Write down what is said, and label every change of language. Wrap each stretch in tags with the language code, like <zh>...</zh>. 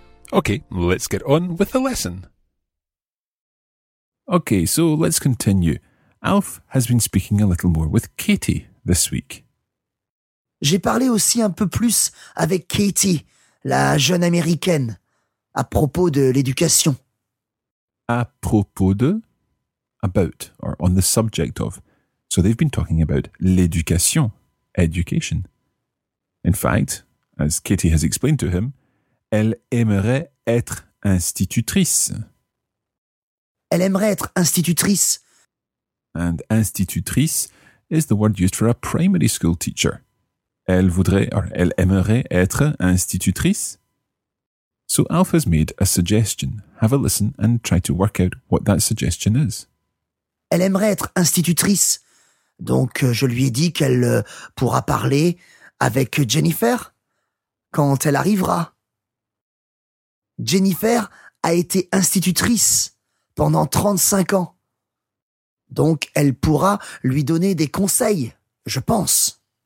<en>Okay, let's get on with the lesson. Okay, so let's continue. Alf has been speaking a little more with Katie this week.</en> <fr>J'ai parlé aussi un peu plus avec Katie, la jeune américaine, à propos de l'éducation. À propos de?</fr> <en>About, or on the subject of. So they've been talking about l'éducation, education. In fact, as Katie has explained to him,</en> <fr>elle aimerait être institutrice. Elle aimerait être institutrice.</fr> <en>And institutrice is the word used for a primary school teacher.</en> <fr>Elle voudrait,</fr> <en>or</en> <fr>elle aimerait être institutrice.</fr> <en>So Alf has made a suggestion. Have a listen and try to work out what that suggestion is.</en> <fr>Elle aimerait être institutrice. Donc je lui ai dit qu'elle pourra parler avec Jennifer quand elle arrivera. Jennifer a été institutrice pendant 35 ans. Donc, elle pourra lui donner des conseils, je pense.</fr>